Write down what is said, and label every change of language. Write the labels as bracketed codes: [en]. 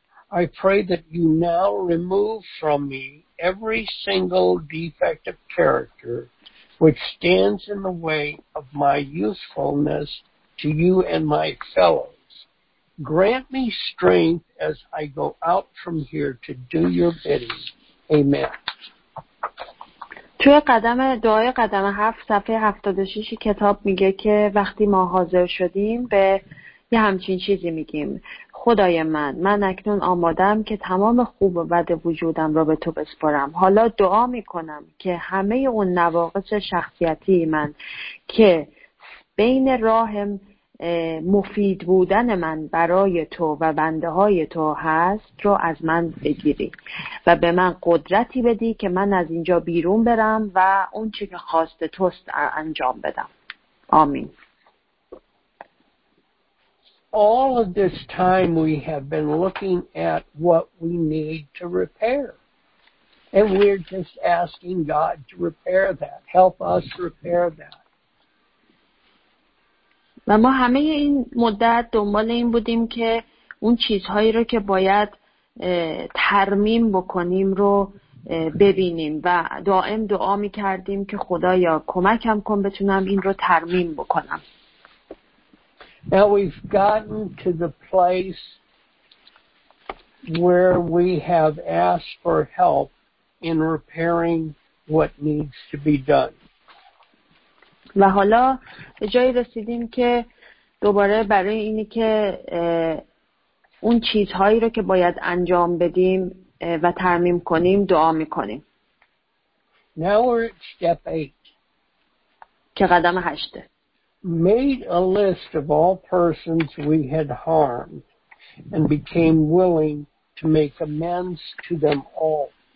[en] I pray that you now remove from me every single defect of character which stands in the way of my usefulness to you and my fellows. Grant me strength as I go out from here to do your bidding. Amen. [fa] توی قدم دعای قدم 7 صفحه 76 کتاب میگه که وقتی ما حاضر شدیم به یه همچین چیزی میگیم. خدای من اکنون آمادم که تمام خوب و بد وجودم را به تو بسپارم. حالا دعا میکنم که همه اون نواقص شخصیتی من که بین راه مفید بودن من برای تو و بنده های تو هست رو از من بگیری و به من قدرتی بدی که من از اینجا بیرون برم و اون چی که خواست توست انجام بدم. آمین. [en] All of this time we have been looking at what we need to repair and we're just asking God to repair that, help us repair that. [fa] و ما همه این مدت دنبال این بودیم که اون چیزهایی رو که باید ترمیم بکنیم رو ببینیم و دائم دعا می کردیم که خدایا کمکم کن بتونم این رو ترمیم بکنم. [en] Now we've gotten to the place where we have asked for help in repairing what needs to be done. [fa] و حالا به جایی رسیدیم که دوباره برای اینی که اون چیزهایی رو که باید انجام بدیم و ترمیم کنیم دعا میکنیم. [en] Now we're at step 8. [fa] که قدم 8. [en] Made a list of all persons we had harmed and became willing to make amends to them all.